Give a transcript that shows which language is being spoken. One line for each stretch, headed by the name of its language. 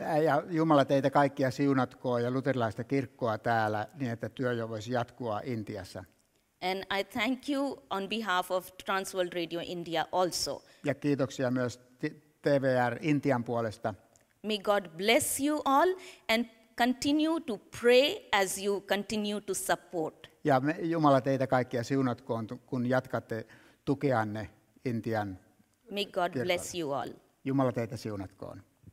Finnish: Ja Jumala teitä kaikkia siunatkoon ja luterilaista kirkkoa täällä niin että työ jo voisi jatkua Intiassa.
English: And I thank you on behalf of Transworld Radio India also.
Finnish: Ja kiitoksia myös TVR Intian puolesta.
English: May God bless you all and continue to pray as you continue to support.
Finnish: Ja Jumala teitä kaikkia siunatkoon, kun jatkatte tukeanne Intian kirkolle.
English: May God bless you all.
Finnish: Jumala teitä siunatkoon.